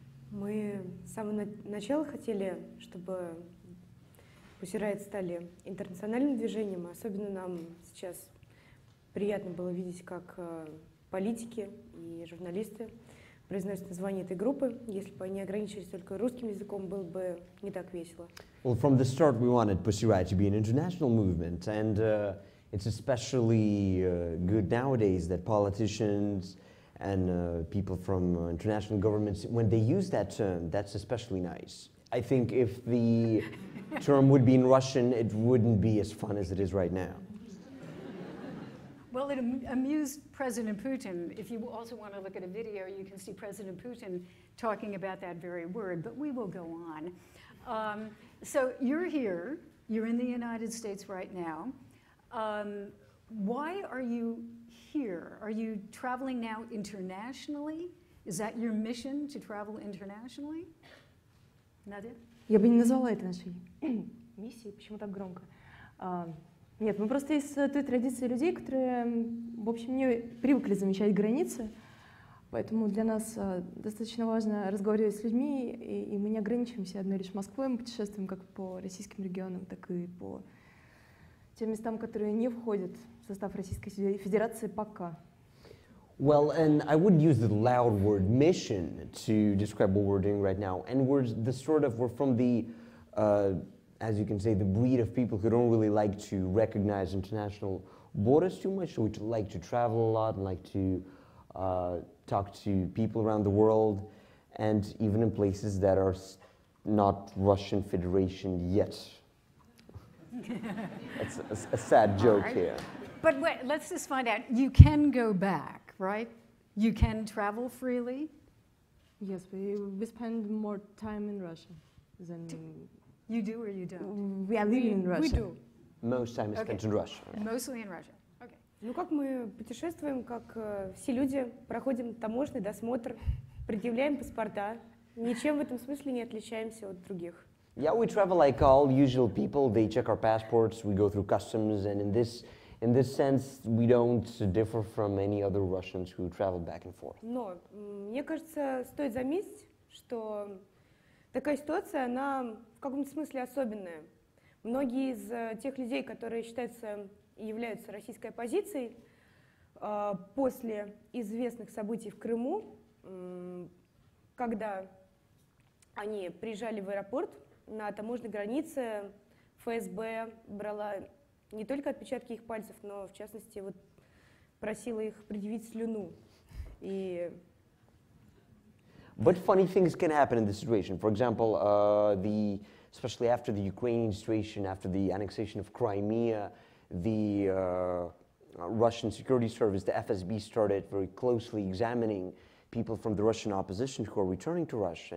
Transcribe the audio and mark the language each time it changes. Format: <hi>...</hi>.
<ru>Мы с самого начала хотели, чтобы Pussy Riot стали интернациональным движением. Особенно нам сейчас приятно было видеть, как политики и журналисты произносят название этой группы. Если бы они ограничились только русским языком, было бы не так весело.</ru> <en>Well, from the start, we wanted Pussy Riot to be an international movement, and it's especially good nowadays that politicians and people from international governments, when they use that term, that's especially nice. I think if the term would be in Russian, it wouldn't be as fun as it is right now. Well, it amused President Putin. If you also want to look at a video, you can see President Putin talking about that very word, but we will go on. So you're here, you're in the United States right now. Why are you here? Are you traveling now internationally? Is that your mission, to travel internationally? Nadya?</en> <ru>Я бы не назвала это нашей миссией. Почему так громко? Нет, мы просто из той традиции людей, которые, в общем, не привыкли замечать границы. Поэтому для нас достаточно важно разговаривать с людьми, и мы не ограничиваемся одной лишь Москвой. Мы путешествуем как по российским регионам, так и по тем местам, которые не входят в состав Российской Федерации пока.</ru> <en>Well, and I wouldn't use the loud word mission to describe what we're doing right now. And we're the sort of, we're from the, as you can say, the breed of people who don't really like to recognize international borders too much. So we like to travel a lot and like to talk to people around the world and even in places that are not Russian Federation yet. That's a sad joke right here. But wait, let's just find out, you can go back. Right? You can travel freely? Yes, we spend more time in Russia than... You do or you don't? We are living in Russia. We do. Most time is spent in Russia. Mostly in Russia. Okay.</en> <ru>Ну, как мы путешествуем, как все люди, проходим таможенный досмотр, предъявляем паспорта, ничем в этом смысле не отличаемся от других.</ru> <en>Yeah, we travel like all usual people. They check our passports, we go through customs, and in this sense, we don't differ from any other Russians who travel back and forth.</en> <ru>Но мне кажется, стоит заметить, что такая ситуация, она в каком-то смысле особенная. Многие из тех людей, которые считаются и являются российской оппозицией после известных событий в Крыму, когда они приезжали в аэропорт на таможенной границе, ФСБ брала не только отпечатки их пальцев, но в частности вот просила их предъявить слюну. И</ru> <en>but funny things can happen in this situation. For example, especially after the Ukrainian situation, after the annexation of Crimea, the Russian security service, the FSB, started very closely examining people from the Russian opposition who are returning to Russia.</en>